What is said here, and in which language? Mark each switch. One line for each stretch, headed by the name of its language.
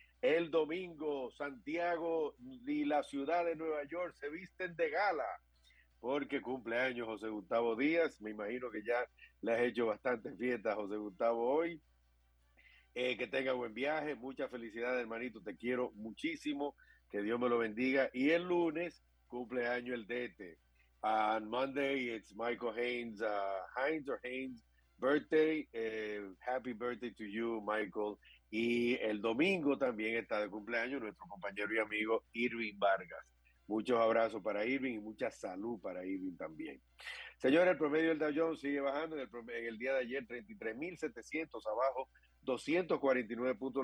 Spanish: El domingo, Santiago y la ciudad de Nueva York se visten de gala porque cumpleaños José Gustavo Díaz. Me imagino que ya le has hecho bastantes fiestas, José Gustavo, hoy. Que tenga buen viaje. Muchas felicidades, hermanito. Te quiero muchísimo. Que Dios me lo bendiga. Y el lunes, cumpleaños el DT.
English: On Monday, it's Michael Haynes, Hines or Haynes' birthday. Happy birthday to you, Michael.
Spanish: Y el domingo también está de cumpleaños nuestro compañero y amigo Irving Vargas. Muchos abrazos para Irving y mucha salud para Irving también. Señores, el promedio del Dow Jones sigue bajando. En el día de ayer, 33.700 abajo, 249 puntos.